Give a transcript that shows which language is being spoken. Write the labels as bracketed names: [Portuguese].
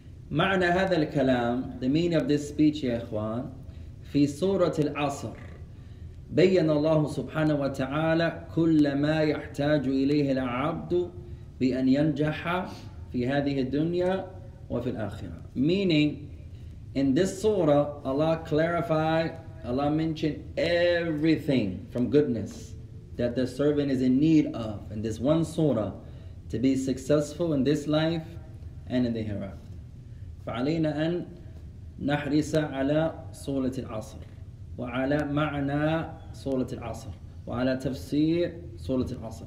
[Arabic] معنى هذا الكلام, [English] the meaning of this speech, [Arabic] يا إخوان, في سورة العصر بيّن الله سبحانه وتعالى كل ما يحتاج إليه العبد بأن ينجح في هذه الدنيا وفي الآخرة. [English] Meaning, in this surah, Allah clarified, Allah mentioned everything from goodness that the servant is in need of in this one surah to be successful in this life and in the hereafter. [Arabic] فعلينا أن نحرص على صورة العصر وعلى معنى صورة العصر وعلى تفسير صورة العصر.